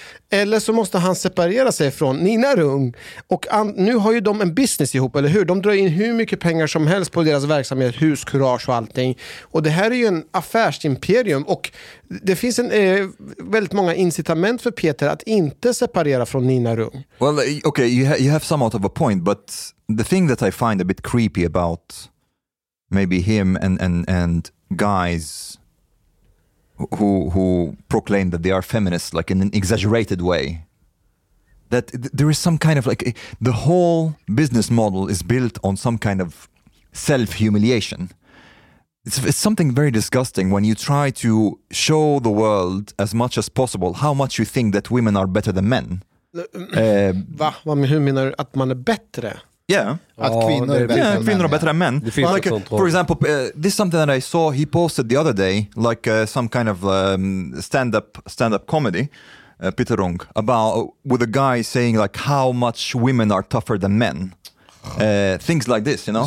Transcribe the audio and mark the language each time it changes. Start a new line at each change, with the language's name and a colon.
Swedish: Eller så måste han separera sig från Nina Rung. Och nu har ju de en business ihop, eller hur? De drar in hur mycket pengar som helst på deras verksamhet, hus, courage och allting. Och det här är ju en affärsimperium. Och det finns väldigt många incitament för Peter att inte separera från Nina Rung.
English: Well, okay, you have somewhat of a point. But the thing that I find a bit creepy about maybe him and guys who proclaim that they are feminists, like in an exaggerated way, that there is some kind of, like, the whole business model is built on some kind of self-humiliation. It's something very disgusting when you try to show the world as much as possible how much you think that women are better than men.
Swedish: Hur menar du att man är bättre?
English: Yeah.
Swedish: Att kvinnor är bättre, kvinnor är bättre än män.
English: Like, for example, this is something that I saw he posted the other day, like some kind of stand-up comedy, Peter Rung, about with a guy saying, like, how much women are tougher than men. Things like this, you know.